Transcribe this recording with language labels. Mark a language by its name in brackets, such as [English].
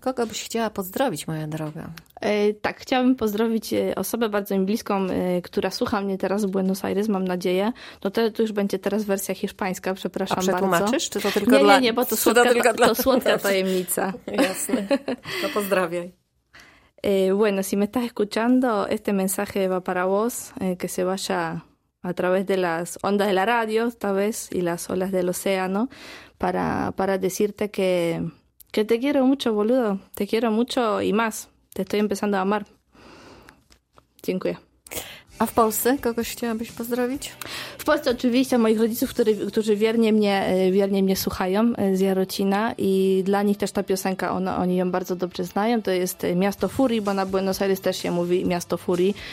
[Polish] Kogo byś chciała pozdrowić, moja droga? Tak, chciałabym pozdrowić osobę bardzo mi bliską, która słucha mnie teraz w Buenos Aires, mam nadzieję. No to już będzie teraz wersja hiszpańska, przepraszam bardzo. A przetłumaczysz? Bardzo. Czy to tylko nie, dla... Nie, bo to słodka, tylko dla... to słodka tajemnica. Jasne. To pozdrawiaj. [Spanish] Bueno, si me estás escuchando, este mensaje va para vos, que se vaya a través de las ondas de la radio, tal vez, y las olas del océano, para decirte que te quiero mucho, boludo. Te quiero mucho y más. Te estoy empezando a amar. [Polish] Dziękuję. A w Polsce kogoś chciałabyś pozdrowić? W Polsce oczywiście moich rodziców, którzy wiernie mnie słuchają z Jarocina i dla nich też ta piosenka, oni ją bardzo dobrze znają. To jest Miasto Furii, bo na Buenos Aires też się mówi Miasto Furii.